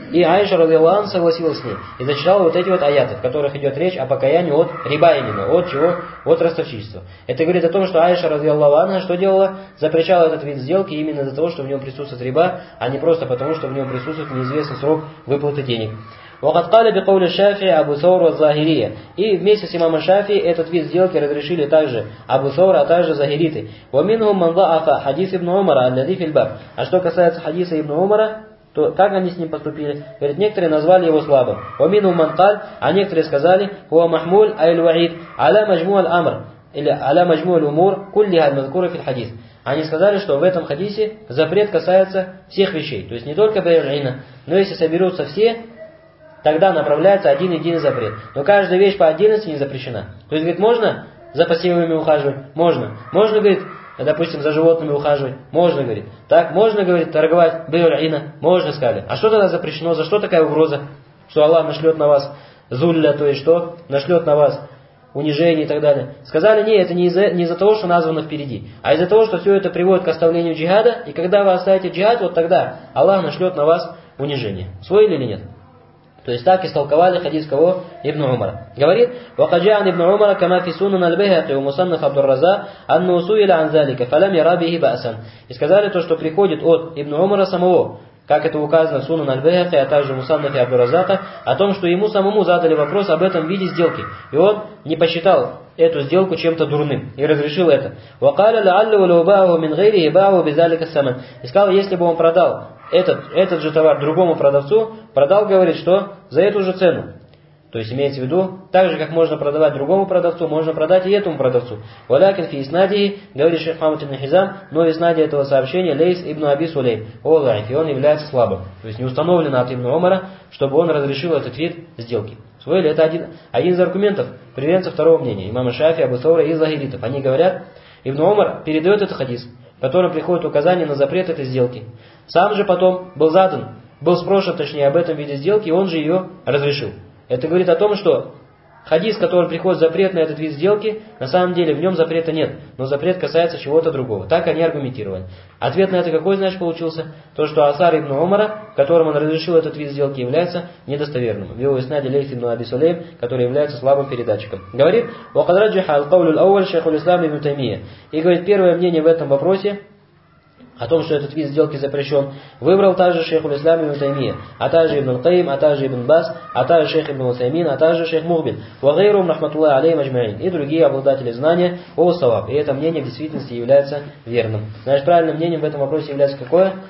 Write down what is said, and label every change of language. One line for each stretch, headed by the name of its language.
Russian: И Аиша, радиаллаху анха, согласилась с ней и зачитала вот эти вот аяты, в которых идет речь о покаянии от риба именно, от чего? От ростовщичества. Это говорит о том, что Аиша, радиаллаху анха, что делала? Запрещала этот вид сделки именно из-за того, что в нем присутствует риба, а не просто потому, что в нем присутствует неизвестный срок выплаты денег.
Arabic: وقد قال بقول الشافعي أبو ثور الظاهرية.
Russian: И вместе с имамом Шафи этот вид сделки разрешили также Абу Саур, а также Захириты.
Arabic: ومنهم من ضعف حديث ابن عمر الذي في الباب.
Russian: А что касается хадиса ибн Умара, то как они с ним поступили? Говорит, некоторые назвали его слабым.
Arabic: ومنهم من قال,
Russian: а некоторые сказали:
Arabic: هو محمول أي الوعيد على مجموع الأمر или على مجموع الأمور كلها المذكورة في الحديث.
Russian: Они сказали, что в этом хадисе запрет касается всех вещей, то есть не только бейрина, но если соберутся все, тогда направляется один-единый запрет. Но каждая вещь по отдельности не запрещена. То есть, говорит, можно за пассивами ухаживать? Можно. Можно, говорит, допустим, за животными ухаживать? Можно, говорит. Так, можно, говорит, торговать бейр-ина? Можно, сказали. А что тогда запрещено? За что такая угроза? Что Аллах нашлет на вас зулля, то есть что? Нашлет на вас унижение и так далее. Сказали, нет, это не из-за того, что названо впереди, а из-за того, что все это приводит к оставлению джихада, и когда вы оставите джихад, вот тогда Аллах нашлет на вас унижение. Усвоили или нет? То есть так истолковали хадис кого? Ибн Умара.
Arabic: Говорит: وقجعن ابن عمر كما في سنن البيهقي ومصنف عبد الرزاق أنه سئل عن ذلك فلم يرى به بأسا.
Russian: И сказали то, что приходит от Ибн Умара самого, как это указано в сунан аль-Байхаки, а также в мусаннафе Абу Разака, о том, что ему самому задали вопрос об этом виде сделки. И он не посчитал эту сделку чем-то дурным и разрешил это.
Arabic: وقالوا لعله لو باعه من غيره باعه بذلك الثمن.
Russian: И сказал, если бы он продал этот же товар другому продавцу, продал, говорит, что за эту же цену. То есть имеется в виду, так же, как можно продавать другому продавцу, можно продать и этому продавцу.
Arabic: Валякин фи иснадии,
Russian: говорит шейх Мухаммад ибн Хизам, но иснадия этого сообщения лейс ибн Аби Сулейм, олайф, и он является слабым. То есть не установлено от ибн Умара, чтобы он разрешил этот вид сделки. Усвоили? Это один из аргументов приверженцев второго мнения, имама Шафии, Абу Саура и Захиритов. Они говорят, ибн Умар передает этот хадис, в котором приходит указание на запрет этой сделки. Сам же потом был спрошен об этом виде сделки, и он же ее разрешил. Это говорит о том, что хадис, который приходит запрет на этот вид сделки, на самом деле в нем запрета нет, но запрет касается чего-то другого. Так они аргументировали. Ответ на это какой, значит, получился? То, что Асар ибн Умара, которым он разрешил этот вид сделки, является недостоверным. В его иснаде лейс ибн Аби Сулейм, который является слабым передатчиком.
Arabic: Говорит, وقد رجح القول الأول شيخ الإسلام ابن تيمية.
Russian: И говорит, первое мнение в этом вопросе, о том, что этот вид сделки запрещен, выбрал также шейх Ислам ибн Таймия, а также ибн Каим, а также ибн Бас, а также шейх ибн Усаймин, а также шейх Мухбиль,
Arabic: ва гайрум рахматуллахи алейхим аджмаин,
Russian: и другие обладатели знания о саваб. И это мнение в действительности является верным. Значит, правильным мнением в этом вопросе является какое?